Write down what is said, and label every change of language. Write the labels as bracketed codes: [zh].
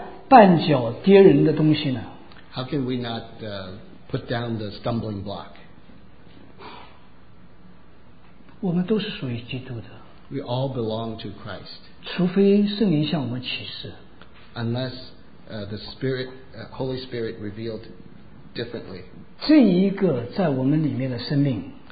[zh] 甚至于我们怎么能够不放下绊脚跌人的东西呢？ [en] How can we not put down the stumbling block. [zh] 我们都是属于基督的。 [en] We all belong to Christ. [zh] 除非圣灵向我们启示。 [en] Unless the Spirit, Holy Spirit revealed differently. [zh] 这一个在我们里面的生命。